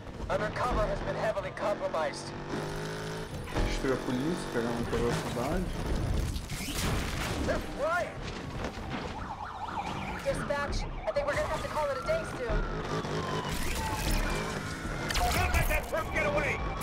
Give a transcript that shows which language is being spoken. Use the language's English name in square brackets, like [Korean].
[English] Undercover has been heavily compromised. [Portuguese] Destruiu a polícia, pegamos toda a cidade. [English] Dispatch, I think we're gonna have to call it a day soon. Don't let that perp get away!